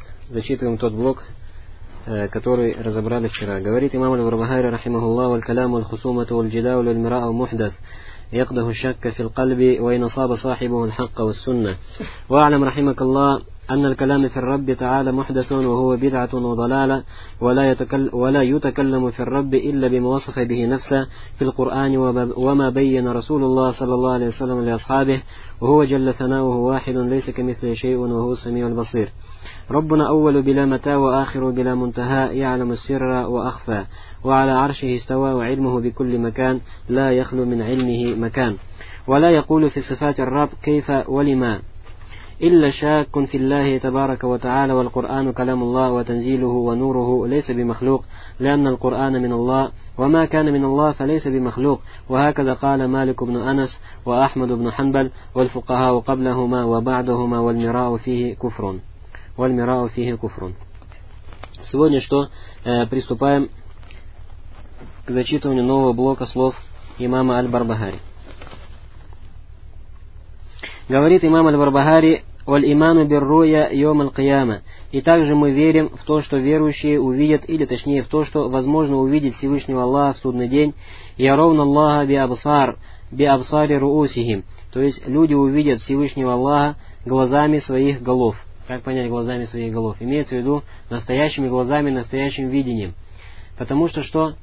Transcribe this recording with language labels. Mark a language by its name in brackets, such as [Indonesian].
[Russian] Зачитываем тот блок, который разобрали вчера. Говорит имам аль-Бурбахари, рахимахуллах, [Arabic] «Валькаламу аль-хусумату аль-джидау аль-мирау аль-мухдас». يقده الشك في القلب وإن صاب صاحبه الحق والسنة وأعلم رحمك الله أن الكلام في الرب تعالى محدث وهو بدعة وضلالة ولا يتكلم في الرب إلا بما وصف به نفسه في القرآن وما بين رسول الله صلى الله عليه وسلم لأصحابه وهو جل ثناؤه واحد ليس كمثله شيء وهو السميع البصير ربنا أول بلا متى وآخر بلا منتهى يعلم السر وأخفى وعلى عرشه استوى وعلمه بكل مكان لا يخلو من علمه مكان ولا يقول في صفات الرب كيف ولما إلا شاك في الله تبارك وتعالى والقرآن كلام الله وتنزيله ونوره ليس بمخلوق لأن القرآن من الله وما كان من الله فليس بمخلوق وهكذا قال مالك بن أنس وأحمد بن حنبل والفقهاء قبلهما وبعدهما والمراء فيه كفر وَالْمِرَاءُ فِيهِ كُفْرٌ. [Russian] Сегодня что? Приступаем к зачитыванию нового блока слов имама Аль-Барбахари. Говорит имам Аль-Барбахари, [Arabic] وَالْإِمَانُ بِالرُّوْيَ يَوْمَ الْقِيَامَةِ. [Russian] И также мы верим в то, что верующие увидят, или точнее в то, что возможно увидеть Всевышнего Аллаха в судный день. [Arabic] يَرَوْنَ اللَّهَ بِأَبْصَارِ رُؤُوسِهِمْ. [Russian] То есть люди увидят Всевышнего Аллаха глазами своих голов. Как понять глазами своих голов? Имеется в виду настоящими глазами, настоящим видением. Потому что что?